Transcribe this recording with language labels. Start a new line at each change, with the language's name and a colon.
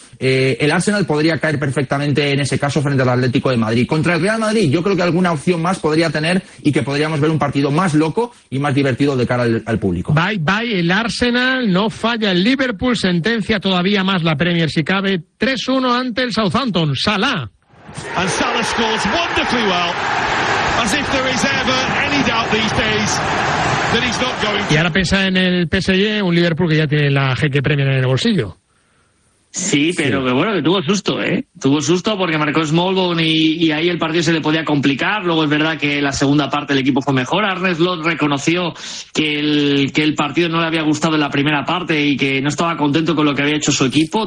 Spanish: El Arsenal podría caer perfectamente en ese caso frente al Atlético de Madrid. Contra el Real Madrid, yo creo que alguna opción más podría tener y que podríamos ver un partido más loco y más divertido de cara al público.
English: Bye, bye,
Spanish: el Arsenal, no falla el Liverpool, sentencia todavía más la Premier si cabe, 3-1 ante el Southampton, Salah.
English: And Salah scores wonderfully well, as if there is ever any doubt these days. That he's not going to...
Spanish: Y ahora pensa en el PSG, un Liverpool que ya tiene la jeque Premier en el bolsillo. Sí, pero sí. Que bueno, que tuvo susto, ¿eh? Tuvo susto porque marcó Smallbone y ahí el partido se le podía complicar. Luego es verdad que la segunda parte el equipo fue mejor. Arne Slot reconoció que el partido no le había gustado en la primera parte y que no estaba contento con lo que había hecho su equipo.